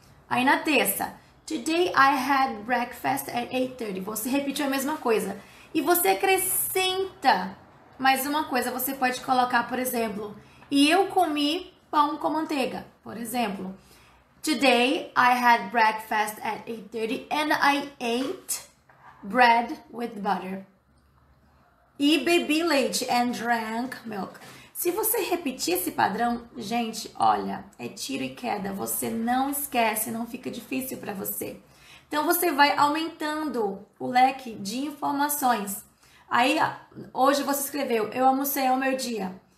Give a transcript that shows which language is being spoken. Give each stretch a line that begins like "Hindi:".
Portuguese: Aí na terça,
English: today I had breakfast at 8:30.
Portuguese: Você repete a mesma coisa. E você acrescenta mais uma coisa. Você pode colocar, por exemplo: e eu comi pão com manteiga, por exemplo.
English: Today I had breakfast at 8:30 and I ate bread with butter.
Portuguese: E bebi leite
English: and drank milk.
Portuguese: Se você repetir esse padrão, gente, olha, é tiro e queda. Você não esquece, não fica difícil para você. Então você vai aumentando o leque de informações. Aí hoje você escreveu: eu almocei ao meio-dia.